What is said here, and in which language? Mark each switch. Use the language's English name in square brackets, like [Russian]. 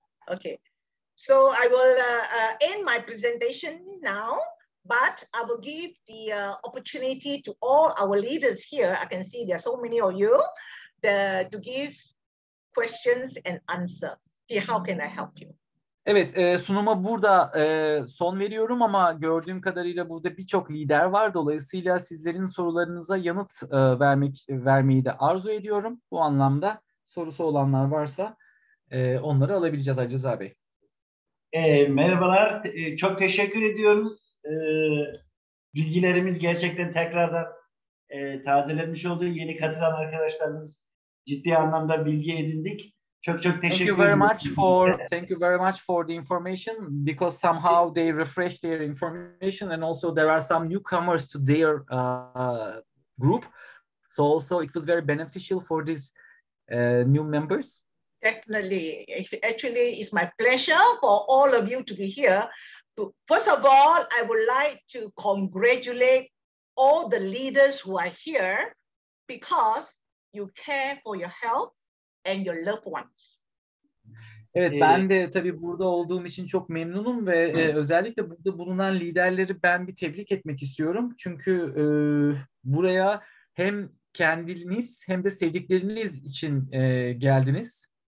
[English] Okay. So I will end my presentation now, but I will give the opportunity to all our leaders here. I can see there are so many of you to give questions and answers. See how can I help you? [Turkish] Evet, sunuma burada son veriyorum ama gördüğüm kadarıyla burada birçok lider var. Dolayısıyla sizlerin sorularınıza yanıt vermeyi de arzu ediyorum. Bu anlamda sorusu olanlar varsa onları alabileceğiz Ali Rıza Bey. Merhabalar, çok teşekkür ediyoruz. Bilgilerimiz gerçekten tekrardan tazelenmiş oldu. Yeni katılan arkadaşlarımız ciddi anlamda bilgi edindik. Çok çok teşekkür ederim. [English] Thank you very much for the information because somehow they refresh their information and also there are some newcomers to their group. So also it was very beneficial for these new members. Definitely. Actually, it's my pleasure for all of you to be here. First of all, I would like to congratulate all the leaders who are here because you care for your health and your loved ones. [Turkish] Evet, ben de tabii burada olduğum için çok memnunum ve özellikle burada bulunan liderleri ben bir tebrik etmek istiyorum. Çünkü buraya hem kendiniz hem de sevdikleriniz için geldiniz.